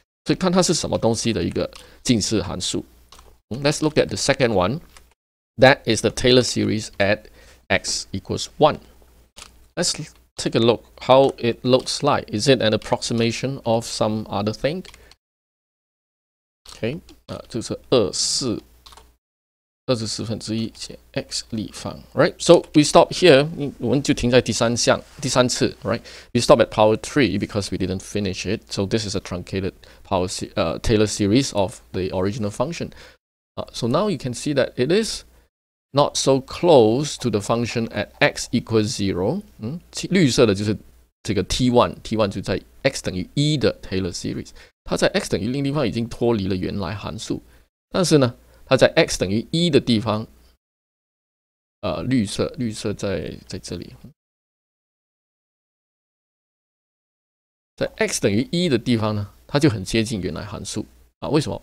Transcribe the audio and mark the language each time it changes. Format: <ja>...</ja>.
<zh>所以看它是什么东西的一个近似函数.</zh> <en>Let's look at the second one. That is the Taylor series at x equals 1. Let's take a look how it looks like. Is it an approximation of some other thing? Okay,</en> <zh>就是</zh> <en>24</en> <zh>24分之一写 x 立方 ，</zh> <en>right? So we stop here.</en> <zh>我们就停在第三次 ，</zh> <en>right? We stop at power 3 because we didn't finish it. So this is a truncated power Taylor series of the original function. So now you can see that it is not so close to the function at x equals 0.</en> <zh>绿色的就是这个 t1 就在 x 等于 1 的 Taylor series. 它在 x 等于 0 地方已经脱离了原来函数，但是呢。它在 x 等于 1 的地方 绿色在这里 在 x 等于 1 的地方呢 它就很接近原来函数 为什么?</zh>